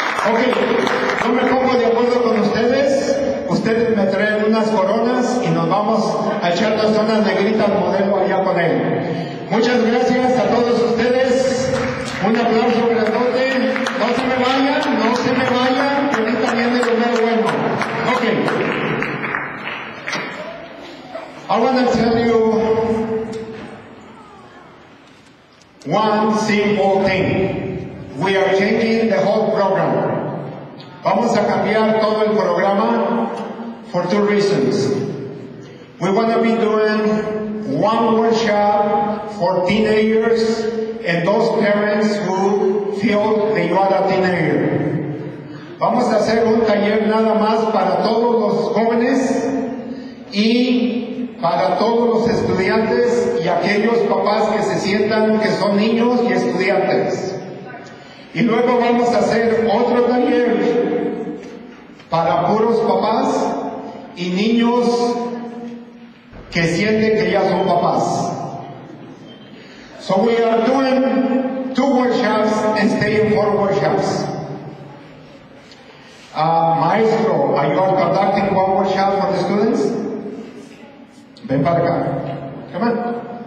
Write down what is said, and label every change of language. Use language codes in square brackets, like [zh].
[es] Ok, yo me pongo de acuerdo con ustedes. Ustedes me traen unas coronas y nos vamos a echar las zonas negritas al modelo allá con él. Muchas gracias a todos ustedes. Un aplauso grandote. No se me vayan, no se me vayan, que ahorita viene lo más bueno. Ok. [en] I want to tell you one simple thing. We are changing the whole program. [es] Vamos a cambiar todo el programa [en] for two reasons. We want to be doing one workshop for teenagers and those parents who feel that you are a teenager. [es] Vamos a hacer un taller nada más para todos los jóvenes y para todos los estudiantes y aquellos papás que se sientan que son niños y estudiantes. Y luego vamos a hacer otro taller para puros papás y niños que sienten que ya son papás. [en] So we are doing two workshops and staying four workshops. Maestro, are you conducting one workshop for the students? [es] Ven para acá. [en] Come on.